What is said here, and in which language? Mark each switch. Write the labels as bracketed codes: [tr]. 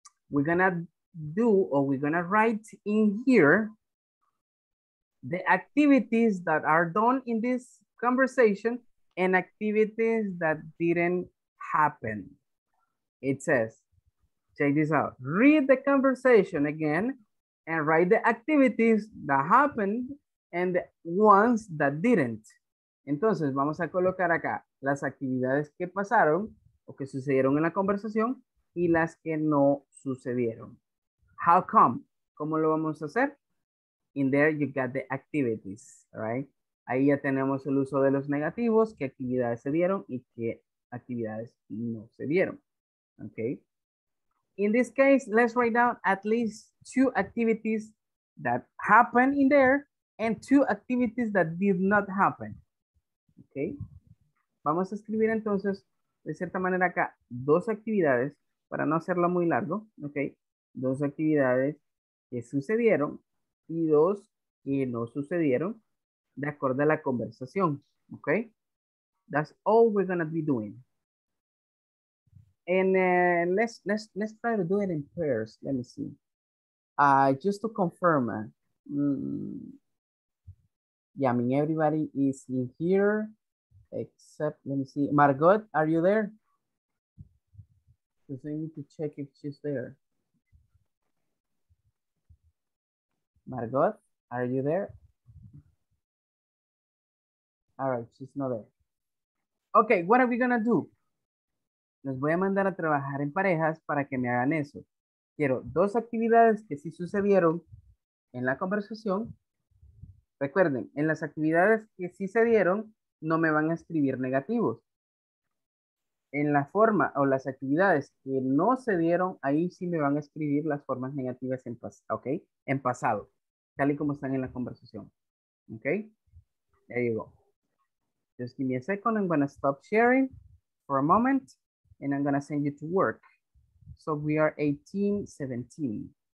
[en] We're gonna do, or we're gonna write in here, the activities that are done in this conversation and activities that didn't happen. It says, check this out. Read the conversation again and write the activities that happened and the ones that didn't. [es] Entonces, vamos a colocar acá las actividades que pasaron o que sucedieron en la conversación y las que no sucedieron. [en] How come? [es] ¿Cómo lo vamos a hacer? [en] In there, you got the activities, right? [es] Ahí ya tenemos el uso de los negativos, qué actividades se dieron y qué actividades no se dieron. [en] Okay. In this case, let's write down at least two activities that happened in there and two activities that did not happen. Okay. [es] Vamos a escribir entonces, de cierta manera acá, dos actividades, para no hacerlo muy largo, okay. Dos actividades que sucedieron y dos que no sucedieron de acuerdo a la conversación. [en] Okay. That's all we're going to be doing. And let's try to do it in pairs. Let me see. Just to confirm. Yeah, I mean, everybody is in here. Except, let me see. Margot, are you there? Because I need to check if she's there. Margot, are you there? All right, she's not there. Okay, what are we gonna do? [es] Los voy a mandar a trabajar en parejas para que me hagan eso. Quiero dos actividades que sí sucedieron en la conversación. Recuerden, en las actividades que sí se dieron, no me van a escribir negativos. En la forma o las actividades que no se dieron, ahí sí me van a escribir las formas negativas en, okay? En pasado, tal y como están en la conversación. [en] Ok, there you go. Just give me a second, I'm going to stop sharing for a moment, and I'm going to send you to work. So we are 18:17.